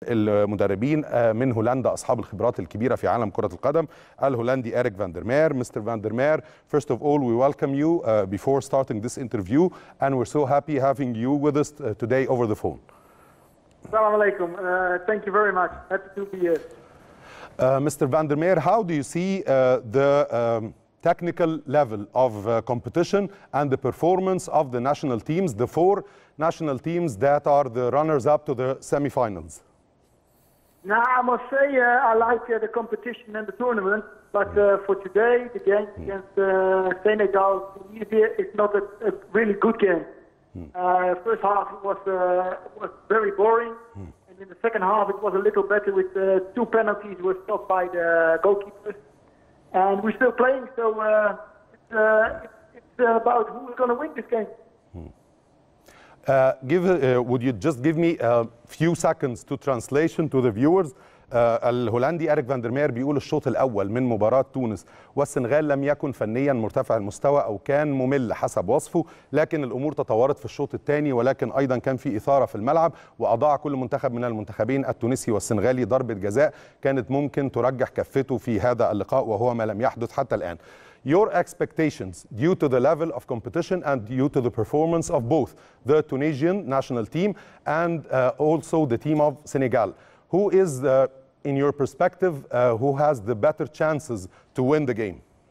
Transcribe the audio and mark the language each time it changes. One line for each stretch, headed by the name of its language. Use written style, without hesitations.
Arabic: المدربين من هولندا اصحاب الخبرات الكبيره في عالم كره القدم، الهولندي إيريك فاندرمير.
English: Mister Vandermeer, first of all we welcome you before starting this interview and we're so happy having you with us today over the phone. Assalamu alaikum. Thank you very much. Happy to be here. Mr. Vandermeer, how do you see the technical level of competition and the performance of the national teams, the four national teams that are the runners-up to the semifinals? Now, I must say I like the competition and the tournament, but for today, the game against Senegal, Tunisia, is not a really good game. First half was very boring. And in the second half, it was a little better with two penalties were stopped by the goalkeepers. And we're still playing, so it's about who's going to win this game. Would you just give me a few seconds to translation to the viewers?
Arabic: الهولندي إيريك فاندرمير بيقول الشوط الأول من مباراة تونس والسنغال لم يكن فنيا مرتفع المستوى أو كان ممل حسب وصفه، لكن الأمور تطورت في الشوط الثاني، ولكن أيضا كان في إثارة في الملعب وأضاع كل منتخب من المنتخبين التونسي والسنغالي ضربة جزاء كانت ممكن ترجح كفته في هذا اللقاء، وهو ما لم يحدث حتى الآن.
English: Your expectations due to the level of competition and due to the performance of both the Tunisian national team and also the team of Senegal. Who is, in your perspective, who has the better chances to win the game?